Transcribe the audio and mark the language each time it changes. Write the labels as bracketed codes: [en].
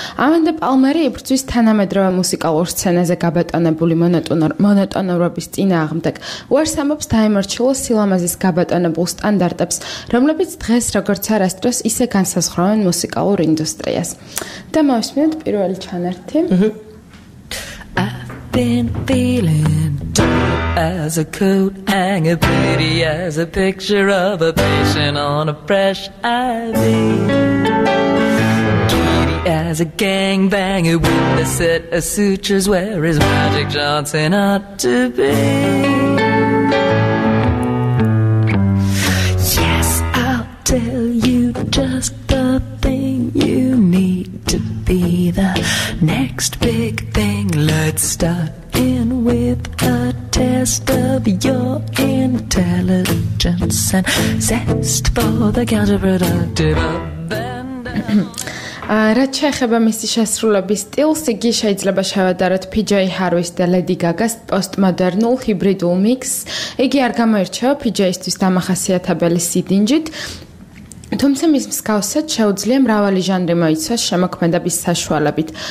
[ka] ამანდა პალმერი იბრძვის თანამედროვე მუსიკალურ სცენაზე გაბატონებული მონოტონურობის წინააღმდეგ, უარსამობს დაიმორჩილოს სილამაზის გაბატონებულ სტანდარტებს, რომლებიც დღეს როგორც არასდროს ისე განსაზღვრავენ მუსიკალურ ინდუსტრიას. და მოვსმინოთ პირველი ჩანართი. [en] Been feeling dope as a coat hanger, pretty as a picture of a patient on a fresh IV, giddy as a gangbanger with the set of sutures, where is Magic Johnson ought to be? Yes, I'll tell you just the thing you need to be the next big thing. Let's start in with a test of your intelligence and zest for the counterproductive abandon. [ka] რაც შეეხება მისი შესრულების სტილს, იგი შეიძლება შევადაროთ PJ Harvey-ის და Lady Gaga-ს პოსტმოდერნულ ჰიბრიდულ მიქსს. იგი არ გამოირჩევა PJ-ისთვის დამახასიათებელი სიდინჯით, თუმცა მის მსგავსად შეუძლია მრავალი ჟანრი მოიცვას შემოქმედების საშუალებით.